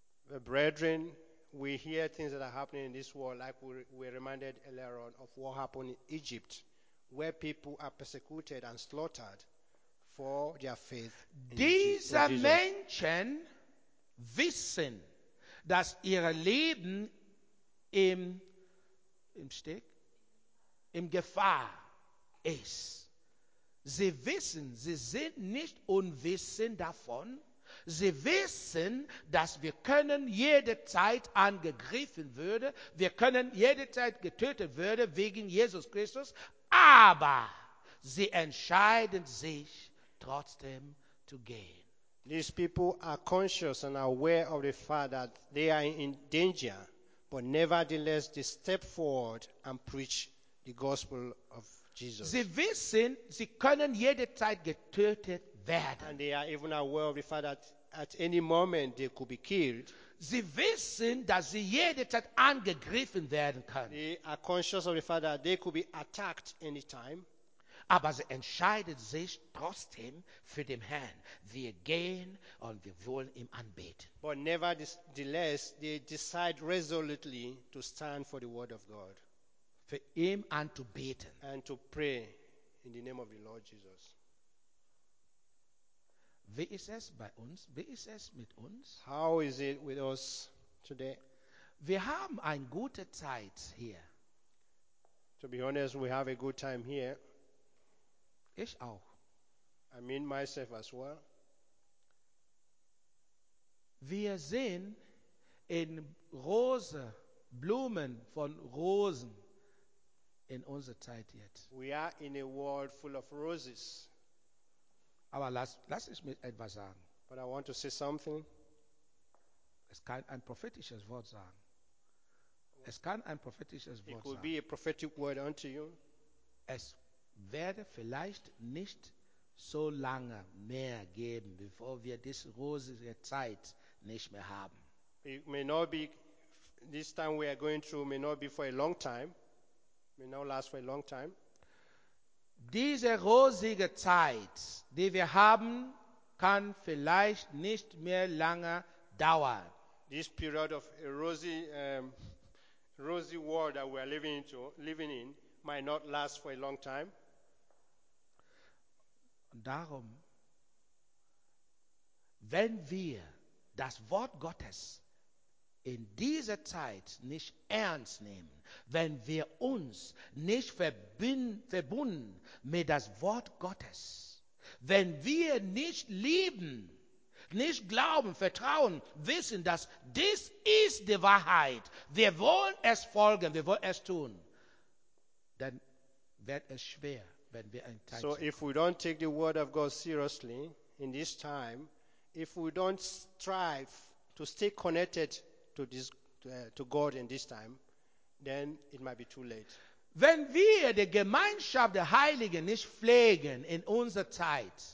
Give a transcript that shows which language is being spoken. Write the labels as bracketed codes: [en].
[en] The brethren, we hear things that are happening in this world, like we're reminded earlier on of what happened in Egypt, where people are persecuted and slaughtered for their faith. [de] Diese Menschen wissen, dass ihre Leben im Steg, im Gefahr ist. Sie wissen, sie sind nicht unwissend davon. Sie wissen, dass wir können jede Zeit angegriffen würde, wir können jede Zeit getötet würde wegen Jesus Christus, aber sie entscheiden sich trotzdem zu gehen. [en] These people are conscious and aware of the fact that they are in danger, but nevertheless they step forward and preach the gospel of Jesus. [de] Sie wissen, sie können jede Zeit getötet werden. [en] And they are even aware of the fact that at any moment they could be killed. [de] Sie wissen, dass sie jede Zeit angegriffen werden können. [en] They are conscious of the fact that they could be attacked any time. [de] Aber sie entscheiden sich trotzdem für den Herrn. Wir gehen und wir wollen ihm anbeten. [en] But nevertheless, they decide resolutely to stand for the word of God. For him and to [de] beten. [en] And to pray in the name of the Lord Jesus. [de] Wie ist es bei uns? Wie ist es mit uns? [en] How is it with us today? [de] Wir haben eine gute Zeit hier. [en] To be honest, we have a good time here. [de] Ich auch. [en] I mean myself as well. [de] Wir sehen in Rose, Blumen von Rosen. In unserer Zeit jetzt. [en] We are in a world full of roses. [de] Aber lass ich mir etwas sagen. [en] But I want to say something. [de] Es kann ein prophetisches Wort sagen. Es kann ein prophetisches Wort sagen. [en] It could be a prophetic word unto you. [de] Es werde vielleicht nicht so lange mehr geben, bevor wir diese rosige Zeit nicht mehr haben. [en] It may not be, this time we are going through may not be for a long time. May not last for a long time. [de] Diese rosige Zeit, die wir haben, kann vielleicht nicht mehr lange dauern. [en] This period of a rosy world that we are living in might not last for a long time. [de] Darum, wenn wir das Wort Gottes in dieser Zeit nicht ernst nehmen, wenn wir uns nicht verbunden mit das Wort Gottes, wenn wir nicht lieben, nicht glauben, vertrauen, wissen, dass dies ist die Wahrheit, wir wollen es folgen, wir wollen es tun, dann wird es schwer, wenn wir ein Teil [en] sind. So if we don't take the word of God seriously in this time, if we don't strive to stay connected to this, to God in this time, then it might be too late. [de] Wenn wir die Gemeinschaft der Heiligen nicht pflegen in unserer Zeit,